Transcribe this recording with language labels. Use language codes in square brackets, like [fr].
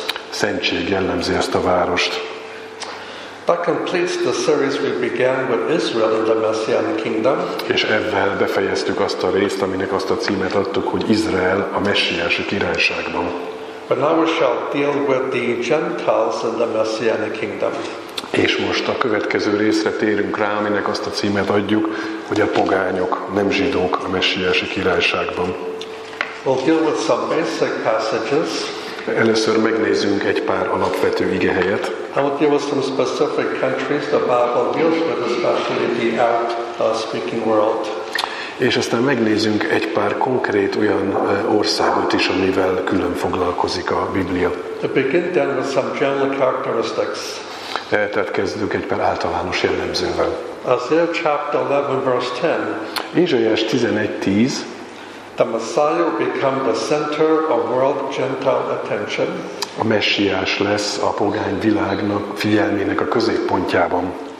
[hu] Szentség jellemzi ezt a várost. [en] That completes the series we began with Israel and the Messianic Kingdom. [hu] És ezzel befejeztük azt a részt, aminek azt a címet adtuk, hogy Izrael a messiási királyságban. [en] But now we shall deal with the Gentiles and the Messianic Kingdom. [hu] És most a következő részre térünk rá, aminek azt a címet adjuk, hogy a pogányok, nem zsidók a messiási királyságban. [en] We'll deal with some basic passages. [hu] Először megnézzünk egy pár alapvető igehelyet. [en] We'll deal with some specific countries the Bible deals with, especially the out-speaking world. [hu] És aztán megnézzünk egy pár konkrét olyan országot is, amivel külön foglalkozik a Biblia. [en] To begin then with some general characteristics. [hu] Tehát kezdünk egy pár általános jellemzővel. [en] Isaiah chapter 11 verse 10. [hu] Ézsaiás 11:10. [en] The Messiah will become the center of world Gentile attention. [hu] A Messiás lesz a pogány világnak figyelmének a középpontjában.